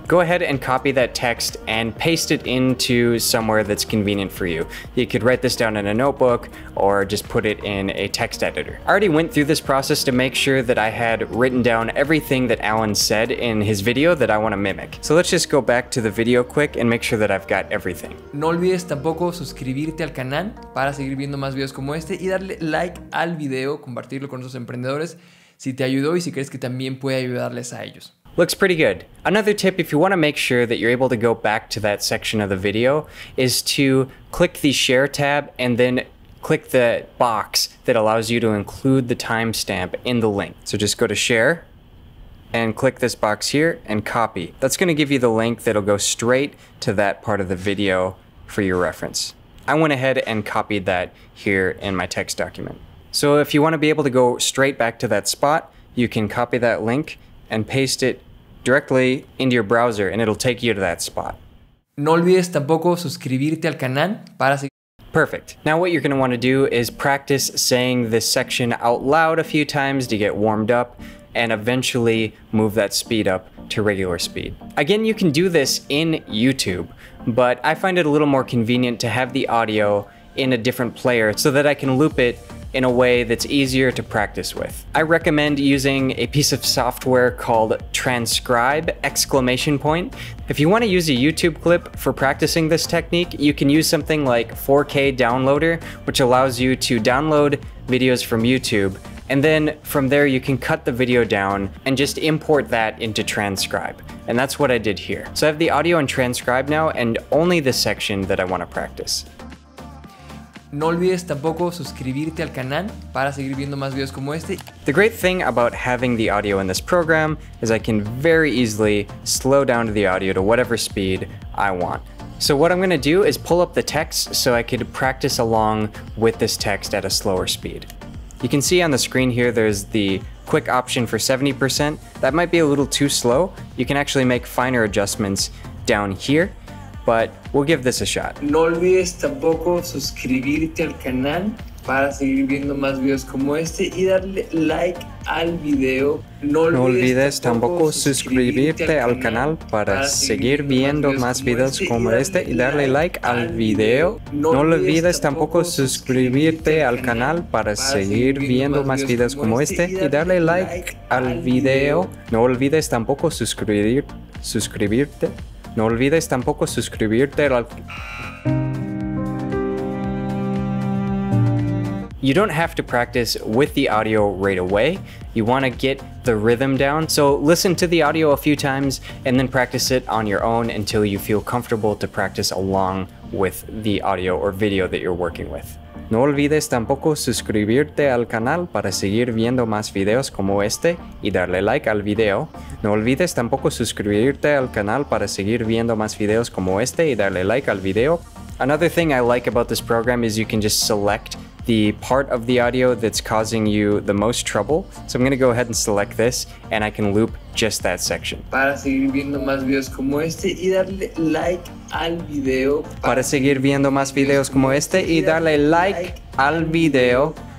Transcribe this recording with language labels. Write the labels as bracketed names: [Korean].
[English] Go ahead and copy that text and paste it into somewhere that's convenient for you. You could write this down in a notebook or just put it in a text editor. I already went through this process to make sure that I had written down everything that Alan said in his video that I want to mimic. So let's just go back to the video quick and make sure that I've got everything. [Spanish] No olvides tampoco suscribirte al canal para seguir viendo más videos como este y darle like al video, compartirlo con otros emprendedores si te ayudó y si crees que también puede ayudarles a ellos. [English] Looks pretty good. Another tip, if you want to make sure that you're able to go back to that section of the video, is to click the share tab and then click the box that allows you to include the timestamp in the link. So just go to share and click this box here and copy. That's going to give you the link that'll go straight to that part of the video for your reference. I went ahead and copied that here in my text document. So if you want to be able to go straight back to that spot, you can copy that link and paste it directly into your browser and it'll take you to that spot. [Spanish] No olvides tampoco suscribirte al canal para seguir. [English] Perfect. Now what you're going to want to do is practice saying this section out loud a few times to get warmed up and eventually move that speed up to regular speed. Again, you can do this in YouTube, but I find it a little more convenient to have the audio in a different player so that I can loop it in a way that's easier to practice with. I recommend using a piece of software called Transcribe! ! If you want to use a YouTube clip for practicing this technique, you can use something like 4K Downloader, which allows you to download videos from YouTube. And then from there, you can cut the video down and just import that into Transcribe. And that's what I did here. So I have the audio in Transcribe now and only the section that I want to practice. [Spanish] No olvides tampoco suscribirte al canal para seguir viendo más videos como este. [English] The great thing about having the audio in this program is I can very easily slow down the audio to whatever speed I want. So what I'm going to do is pull up the text so I could practice along with this text at a slower speed. You can see on the screen here there's the quick option for 70%. That might be a little too slow. You can actually make finer adjustments down here. But we'll give this a shot. [Spanish] No olvides tampoco suscribirte al canal para seguir viendo más videos como este y darle like al video. No olvides tampoco suscribirte al canal para seguir viendo más videos como este y darle like al video. No olvides tampoco suscribirte al canal para seguir viendo más videos como este y darle like al video. No olvides tampoco suscribirte. No olvides tampoco suscribirte al... [English] You don't have to practice with the audio right away. You want to get the rhythm down. So listen to the audio a few times and then practice it on your own until you feel comfortable to practice along with the audio or video that you're working with. [Spanish] No olvides tampoco suscribirte al canal para seguir viendo más videos como este y darle like al video. No olvides tampoco suscribirte al canal para seguir viendo más videos como este y darle like al video. [English] Another thing I like about this program is you can just select the part of the audio that's causing you the most trouble. So I'm going to go ahead and select this and I can loop just that section. [Spanish] Para seguir viendo más videos como este y darle like al video para seguir viendo más videos como este y darle like al video.